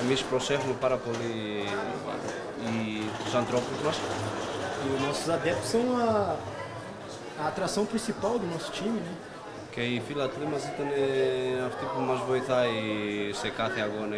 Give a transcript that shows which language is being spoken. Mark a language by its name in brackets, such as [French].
[Greek] Εμείς προσέχουμε πάρα πολύ τους ανθρώπους μας. Οι [Portuguese] nossos adeptos são a atração principal do nosso time, né? [Greek] Και οι φίλοι μας ήταν αυτοί που μας βοηθάει σε κάθε αγώνα.